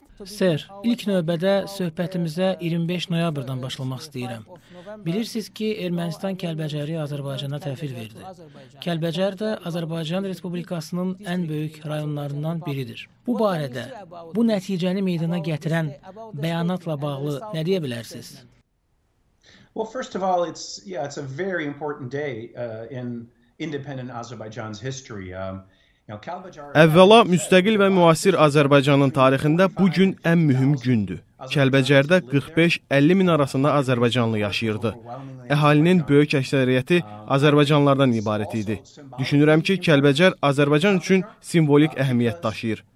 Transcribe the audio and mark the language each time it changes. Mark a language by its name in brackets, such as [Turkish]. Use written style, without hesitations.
[Azerbaijani] Sir, ilk növbədə söhbətimizə 25 noyabrdan başlamaq istəyirəm. Bilirsiniz ki, Ermənistan Kəlbəcəri Azərbaycana təhvil verdi. Kəlbəcər də Azərbaycan Respublikasının ən böyük rayonlarından biridir. Bu barədə, bu nəticəni meydana gətirən bəyanatla bağlı nə deyə bilərsiniz? [English] Well, first of all, it's a very important day in independent Azerbaijan's history. [Azerbaijani] Əvvəla, müstəqil və müasir Azərbaycanın tarixində bu gün ən mühüm gündür. Kəlbəcərdə 45-50 min arasında Azərbaycanlı yaşayırdı. Əhalinin böyük əksəriyyəti Azərbaycanlardan ibarət idi. Düşünürəm ki, Kəlbəcər Azərbaycan üçün simvolik əhəmiyyət daşıyır.